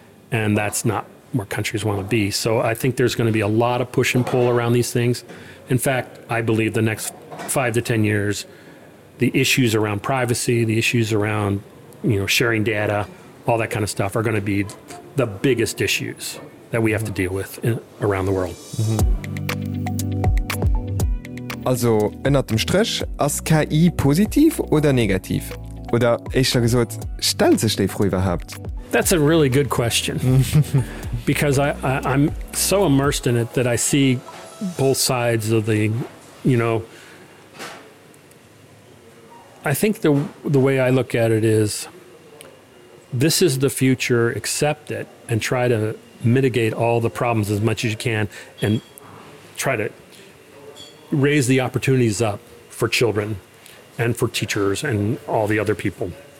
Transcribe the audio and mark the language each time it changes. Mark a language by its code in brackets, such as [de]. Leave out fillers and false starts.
[en] And that's not where countries want to be. So I think there's going to be a lot of push and pull around these things. In fact, I believe the next 5 to 10 years, the issues around privacy, the issues around, sharing data, all that kind of stuff are going to be the biggest issues that we have to deal with around the world. Mm-hmm. [de] Also, unter dem Strich, ist KI positiv oder negativ? Oder, ehrlich gesagt, stellt sich die Frage überhaupt? [en] That's a really good question. Because I'm so immersed in it that I see both sides of the, I think the way I look at it is, this is the future, accept it, and try to mitigate all the problems as much as you can, and try to raise the opportunities up for children and for teachers and all the other people.